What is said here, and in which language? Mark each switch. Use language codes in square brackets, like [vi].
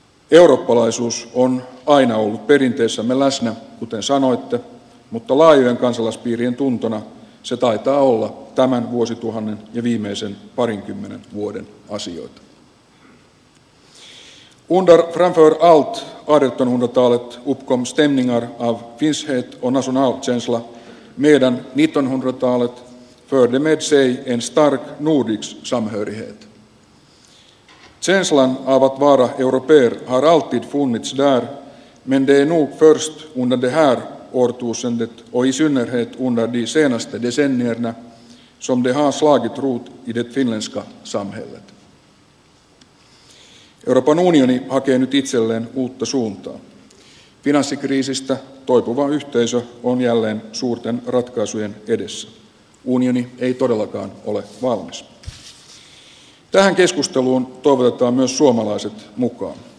[fi] Eurooppalaisuus on aina ollut perinteessämme läsnä, kuten sanoitte, mutta laajojen kansalaispiirien tuntona se taitaa olla tämän vuosituhannen ja viimeisen parinkymmenen vuoden asioita. [sv] Under framför allt 1800-talet uppkom stämningar av finskhet och nationalkänsla, medan 1900-talet förde med sig en stark nordisk samhörighet. Känslan av att vara europeer har alltid funnits där, men det är nog först under det här årtusendet och i synnerhet under de senaste decennierna som det har slagit rot i det finländska samhället. [fi] Euroopan unioni hakee nyt itselleen uutta suuntaa. Finanssikriisistä toipuva yhteisö on jälleen suurten ratkaisujen edessä. Unioni ei todellakaan ole valmis. Tähän keskusteluun toivotetaan myös suomalaiset mukaan.